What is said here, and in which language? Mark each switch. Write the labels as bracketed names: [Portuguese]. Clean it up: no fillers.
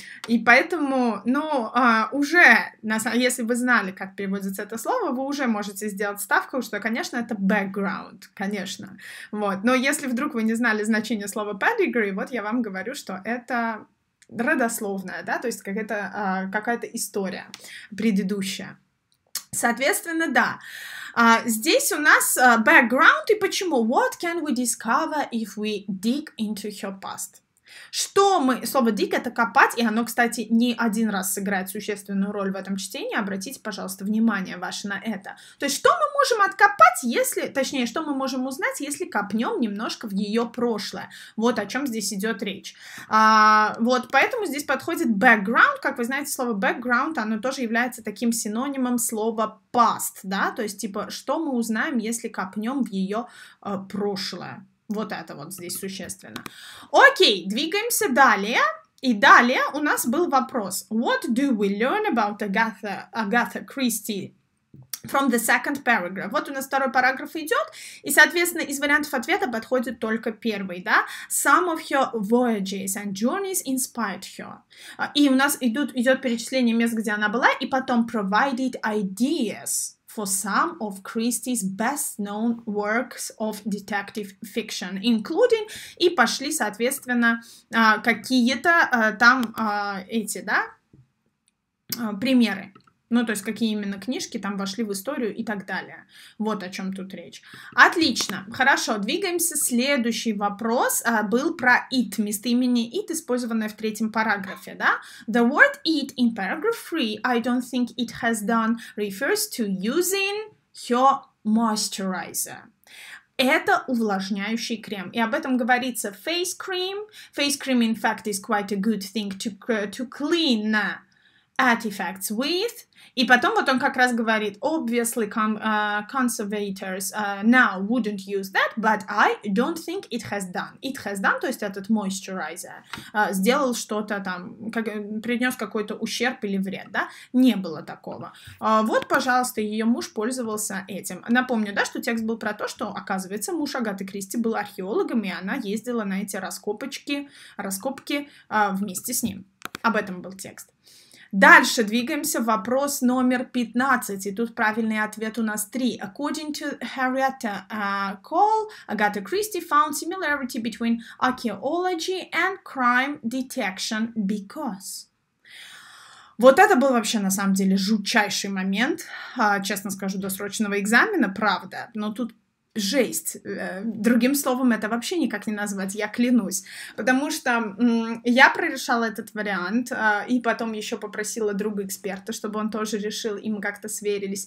[Russian] И поэтому, ну, уже, если вы знали, как переводится это слово, вы уже можете сделать ставку, что, конечно, это background, конечно. Вот. Но если вдруг вы не знали значение слова pedigree, вот я вам говорю, что это родословное, да? То есть какая-то, какая-то история предыдущая. Соответственно, да. Здесь у нас background и почему. [English] What can we discover if we dig into her past? [Russian] Что мы... Слово dig — это копать, и оно, кстати, не один раз сыграет существенную роль в этом чтении. Обратите, пожалуйста, внимание ваше на это. То есть что мы можем откопать, если... Точнее, что мы можем узнать, если копнем немножко в ее прошлое? Вот о чем здесь идет речь. Вот поэтому здесь подходит background. Как вы знаете, слово background, оно тоже является таким синонимом слова past, да? То есть типа, что мы узнаем, если копнем в ее прошлое? Вот это вот здесь существенно. Окей, двигаемся далее. И далее у нас был вопрос. [English] What do we learn about Agatha Christie from the second paragraph? [Russian] Вот у нас второй параграф идет, и, соответственно, из вариантов ответа подходит только первый, да? [English] Some of her voyages and journeys inspired her. [Russian] И у нас идет перечисление мест, где она была, и потом [English] provided ideas for some of Christie's best-known works of detective fiction, including, [Russian] и пошли, соответственно, какие-то там эти, да, примеры. Ну, то есть, какие именно книжки там вошли в историю и так далее. Вот о чем тут речь. Отлично. Хорошо, двигаемся. Следующий вопрос был про it, местоимение it, использованное в третьем параграфе, да? [English] The word it in paragraph 3, I don't think it has done, refers to using her moisturizer. [Russian] Это увлажняющий крем. И об этом говорится [English] face cream. Face cream, in fact, is quite a good thing to clean artifacts with. [Russian] И потом вот он как раз говорит, [English] obviously conservators now wouldn't use that, but I don't think it has done. It has done, [Russian] то есть этот moisturizer, сделал что-то там, как, принес какой-то ущерб или вред, да? Не было такого. Вот, пожалуйста, ее муж пользовался этим. Напомню, да, что текст был про то, что, оказывается, муж Агаты Кристи был археологом, и она ездила на эти раскопки вместе с ним. Об этом был текст. Дальше двигаемся в вопрос номер 15. И тут правильный ответ у нас 3. [English] According to Harriet Cole, Agatha Christie found similarity between archaeology and crime detection because... [Russian] Вот это был вообще, на самом деле, жутчайший момент, честно скажу, досрочного экзамена, правда, но тут жесть. Другим словом, это вообще никак не назвать, я клянусь. Потому что я прорешала этот вариант, и потом еще попросила друга эксперта, чтобы он тоже решил, и мы как-то сверились.